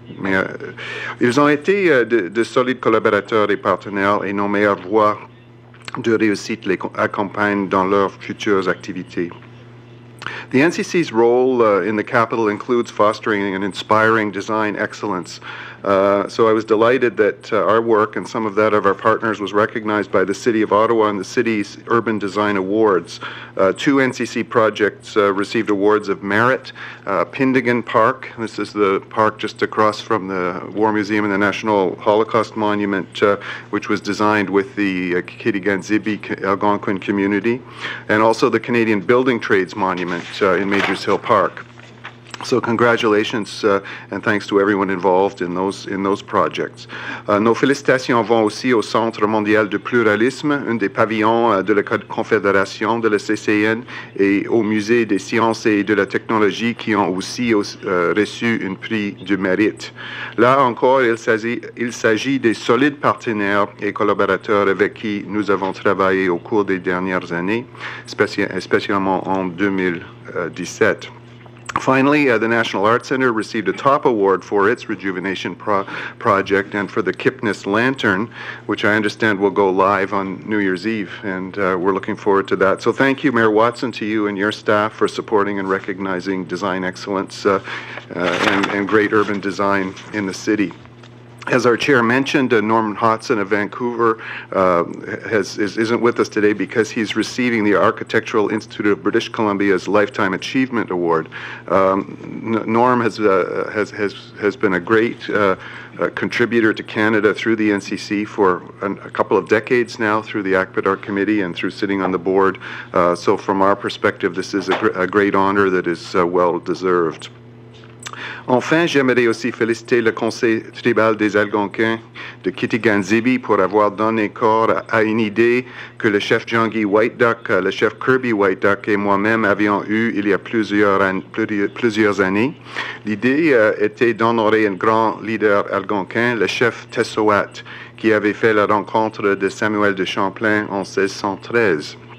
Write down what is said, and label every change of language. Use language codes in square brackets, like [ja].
[fr] Mais, ils ont été de solides collaborateurs et partenaires et nos meilleures voies de réussite les accompagnent dans leurs futures activités. [en] The NCC's role in the capital includes fostering and inspiring design excellence So I was delighted that our work and some of that of our partners was recognized by the City of Ottawa and the City's Urban Design Awards. Two NCC projects received awards of merit. Pindigan Park, this is the park just across from the War Museum and the National Holocaust Monument, which was designed with the Kitiganzibi Algonquin community, and also the Canadian Building Trades Monument in Majors Hill Park. So congratulations and thanks to everyone involved in those projects. [fr] Nos félicitations vont aussi au Centre mondial du pluralisme, un des pavillons de la Confédération de la CCN, et au Musée des sciences et de la technologie qui ont aussi reçu un prix du mérite. Là encore, il s'agit des solides partenaires et collaborateurs avec qui nous avons travaillé au cours des dernières années, spécialement en 2017. [en] Finally, the National Arts Center received a top award for its rejuvenation project and for the Kipnis Lantern, which I understand will go live on New Year's Eve, and we're looking forward to that. So thank you, Mayor Watson, to you and your staff for supporting and recognizing design excellence and great urban design in the city. As our chair mentioned, Norman Hodson of Vancouver isn't with us today because he's receiving the Architectural Institute of British Columbia's Lifetime Achievement Award. Norm has been a great contributor to Canada through the NCC for a couple of decades now through the ACPADAR committee and through sitting on the board. So from our perspective, this is a great honor that is well deserved. [fr] Enfin, j'aimerais aussi féliciter le Conseil tribal des Algonquins de Kitiganzibi pour avoir donné corps à une idée que le chef Jean-Guy White Duck, le chef Kirby White Duck et moi-même avions eue il y a plusieurs années. L'idée était d'honorer un grand leader algonquin, le chef Tessouat, qui avait fait la rencontre de Samuel de Champlain en 1613.